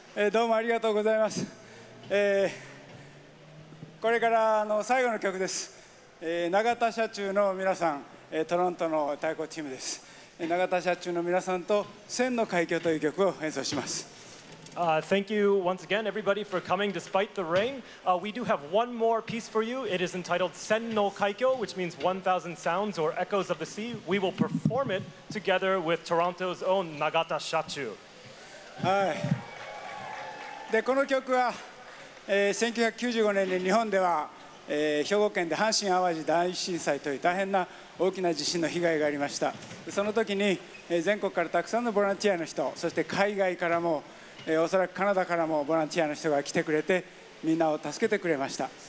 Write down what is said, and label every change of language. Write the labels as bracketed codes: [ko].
[ja] どうもありがとうございます。これからの最後の曲です。永田社中の皆さん、トロントの太鼓チームです。永田社中の皆さんと千の海峡という曲を演奏します。 [en] Thank you once again, everybody, for coming despite the rain. We do have one more piece for you. It is entitled Sen no Kaikyo, which means 1,000 sounds or echoes of the sea. We will perform it together with Toronto's own Nagata Shachu. [ja] で、この曲は、1995年に日本では、兵庫県で阪神淡路大震災という大変な大きな地震の被害がありました。その時に、全国からたくさんのボランティアの人、そして海外からもおそらくカナダからもボランティアの人が来てくれてみんなを助けてくれました。